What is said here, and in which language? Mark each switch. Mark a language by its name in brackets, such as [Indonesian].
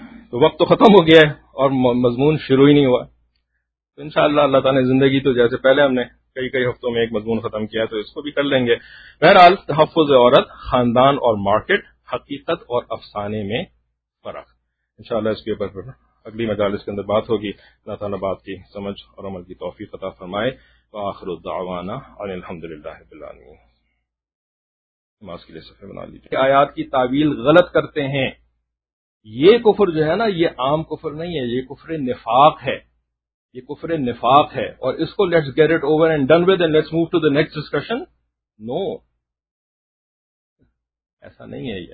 [Urdu] تو وقت تو ختم ہو گیا ہے اور مضمون شروع ہی نہیں ہوا, تو انشاءاللہ اللہ تعالیٰ نے زندگی تو جیسے پہلے ہم نے کئی کئی ہفتوں میں ایک مضمون ختم کیا ہے تو اس کو بھی کر لیں گے. بہرحال تحفظ عورت, خاندان اور مارکیٹ, حقیقت اور افسانے میں فرق. انشاءاللہ اس کے اوپر اگلی مجالس کے اندر بات ہوگی. اللہ تعالیٰ بات کی سمجھ اور عمل کی توفیق عطا فرمائے. [Arabic] وآخر الدعوانا ان الحمد للہ رب العالمین. [Urdu] نماز کے لیے صفحہ بنا لیجیے. آیات کی تعویل غلط کرتے ہیں. یہ کفر جو ہے نا, یہ عام کفر نہیں ہے, یہ کفر نفاق ہے, یہ کفر نفاق ہے. اور اس کو [English] Let's get it over and done with and let's move to the next discussion. [Urdu] نو, ایسا نہیں ہے.